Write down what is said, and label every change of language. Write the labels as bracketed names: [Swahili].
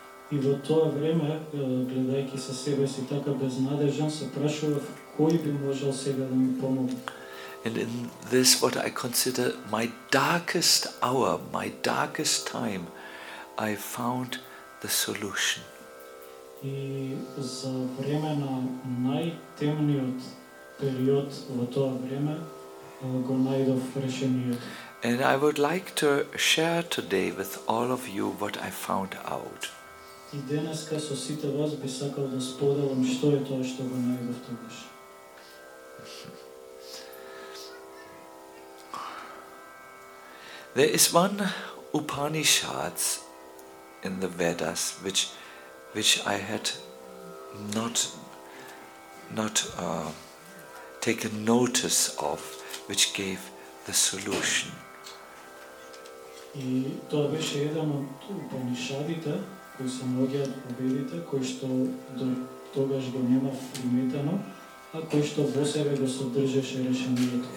[English] And And in this, what I consider my darkest hour, my darkest time, I found the solution. [Macedonian] И за време на најтемниот период во тоа време го најдов решението. [English] And I would like to share today with all of you what I found out. [Macedonian] И денеска со сите вас би сакал да споделам што е тоа што го најдов тогаш. [English] There is one Upanishads in the Vedas which I had not taken notice of, which gave the solution. [Macedonian] И тоа беше еден од Упанишадите кои се наоѓаат во Ведите, кој што до тогаш го немав приметено, а кој што во себе го содржеше решението.